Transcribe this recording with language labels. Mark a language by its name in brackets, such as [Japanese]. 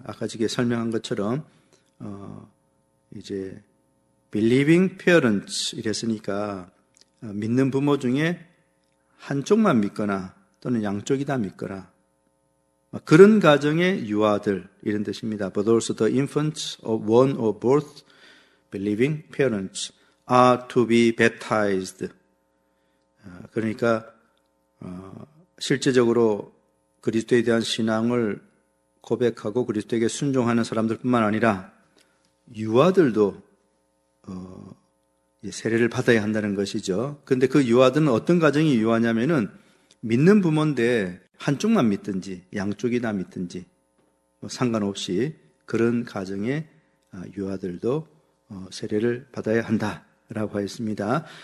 [Korean] 아까 저기 설명한 것처럼, 이제, [English] believing parents [Korean] 이랬으니까, 믿는 부모 중에 한쪽만 믿거나, 또는 양쪽이 다 믿거나, 그런 가정의 유아들 이런 뜻입니다. [English] But also the infants of one or both believing parents are to be baptized. [Korean] 그러니까 실제적으로 그리스도에 대한 신앙을 고백하고 그리스도에게 순종하는 사람들뿐만 아니라 유아들도 세례를 받아야 한다는 것이죠. 그런데 그 유아들은 어떤 가정이 유아냐면은 믿는 부모인데 한쪽만 믿든지 양쪽이 다 믿든지 상관없이 그런 가정의 유아들도 세례를 받아야 한다라고 했습니다.